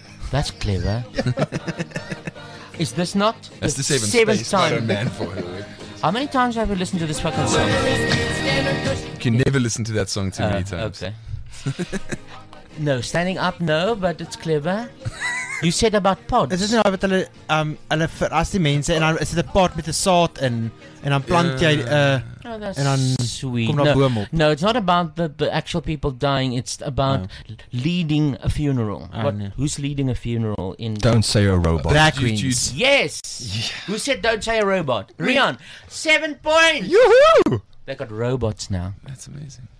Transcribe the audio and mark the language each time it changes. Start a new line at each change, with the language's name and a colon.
English: That's clever. Is this not that's the seventh time? Man for how many times have you listened to this fucking song? You can never listen to that song too many times. Okay. No, standing up, no, but it's clever. You said about pods. Is it
Afrikaans: nou wat hulle hulle verras die mense en dan is dit 'n pot met 'n saad in en dan plant jy en dan kom daar boom op.
English: No, it's not about the actual people dying, it's about leading a funeral. Who's leading a funeral in Don't Say a Robot? Drag Queens. You, yes. Yeah. Who said Don't Say a Robot? Rion, 7 points. Yoo-hoo! They got robots now. That's amazing.